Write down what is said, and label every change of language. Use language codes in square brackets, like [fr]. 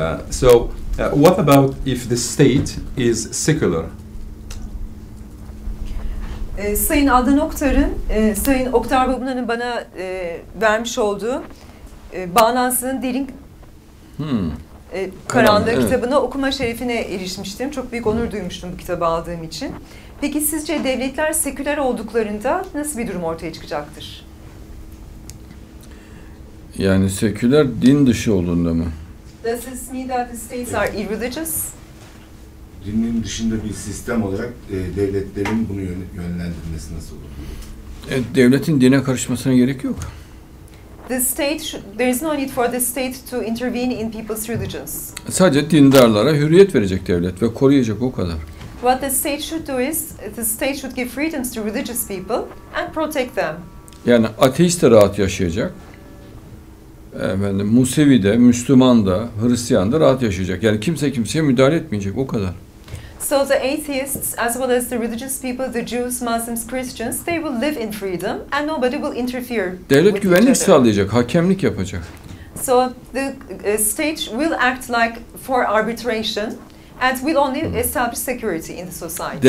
[en] So what about if the state is secular? [tr] Sayın Adnan Oktar'ın, Sayın Oktar Babunan'ın bana vermiş olduğu Bağnazlı'nın Derin Karanlığı evet. Kitabını okuma şerefine erişmiştim. Çok büyük onur duymuştum bu kitabı aldığım için. Peki sizce devletler seküler olduklarında nasıl bir durum ortaya çıkacaktır? Yani seküler din dışı olduğunda mı? [en] Does this mean that the states are irreligious? [tr] Dinin dışında bir sistem olarak devletlerin bunu yönlendirmesi nasıl olur? Devletin dine karışmasına gerek yok. [en] The state there is no need for the state to intervene in people's religions. [tr] Sadece dindarlara hürriyet verecek devlet ve koruyacak o kadar. [en] What the state should do is the state should give freedoms to religious people and protect them. [tr] Yani ateist de rahat yaşayacak. efendim Musevi de, Müslüman da, Hristiyan da rahat yaşayacak. Yani kimse kimseye müdahale etmeyecek, o kadar. [en] So the atheists, as well as the religious people, the Jews, Muslims, Christians, they will live in freedom and nobody will interfere. [tr] Devlet güvenlik sağlayacak, hakemlik yapacak. [en] So the state will act like for arbitration and will only establish security in the society.